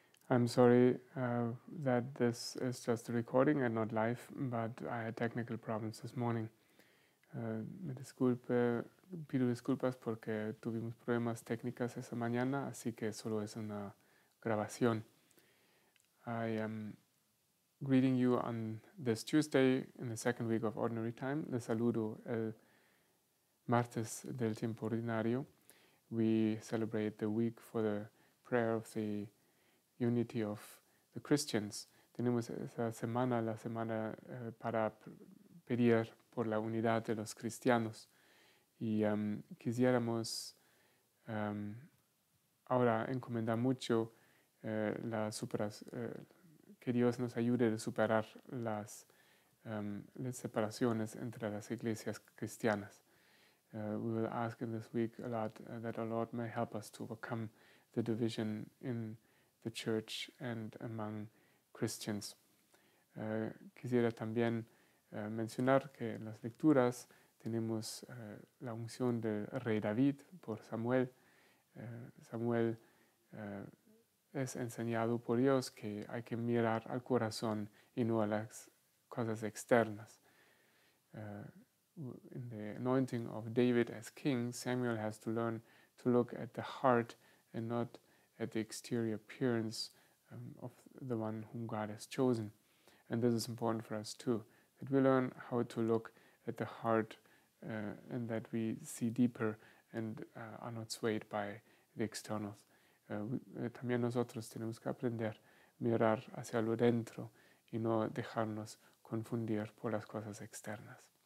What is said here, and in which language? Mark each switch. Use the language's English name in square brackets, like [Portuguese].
[English] I'm sorry that this is just a recording and not live, but I had technical problems this morning. [Spanish] Me disculpe, pido disculpas porque tuvimos problemas técnicas esa mañana, así que solo es una grabación. [English] I am greeting you on this Tuesday in the second week of Ordinary Time. [Spanish] Le saludo el martes del tiempo ordinario. [English] We celebrate the week for the prayer of the unity of the Christians. [Spanish] Tenemos esa semana, la semana para pedir por la unidad de los cristianos. Y quisiéramos ahora encomendar mucho que Dios nos ayude a superar las separaciones entre las iglesias cristianas. [English] We will ask in this week a lot that our Lord may help us to overcome the division in the church and among Christians. [Spanish] Quisiera también mencionar que en las lecturas tenemos la unción del rey David por Samuel. Samuel es enseñado por Dios que hay que mirar al corazón y no a las cosas externas. [English] In the anointing of David as king, Samuel has to learn to look at the heart and not at the exterior appearance of the one whom God has chosen. And this is important for us too, that we learn how to look at the heart and that we see deeper and are not swayed by the externals. [Spanish] También nosotros tenemos que aprender a mirar hacia lo dentro y no dejarnos confundir por las cosas externas.